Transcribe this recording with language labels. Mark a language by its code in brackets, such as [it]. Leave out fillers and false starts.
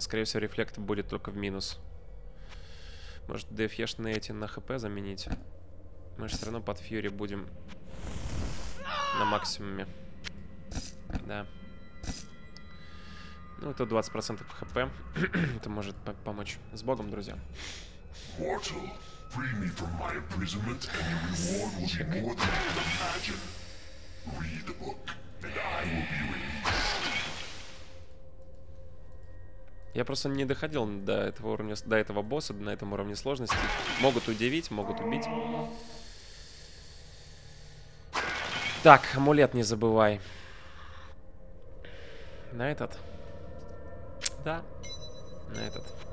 [ru] Скорее всего, рефлект будет только в минус. Может, DFE-шные эти на ХП заменить? Мы же все равно под фьюри будем на максимуме. Да. Ну, это 20% ХП. Это может помочь. С богом, друзья. [en] Mortal, free me from my imprisonment, and your reward will be more than you can imagine. Read the book, and I will be released. [ru] Я просто не доходил до этого уровня, до этого босса, на этом уровне сложности. Могут удивить, могут убить. Так, амулет не забывай. На этот? Да. На этот.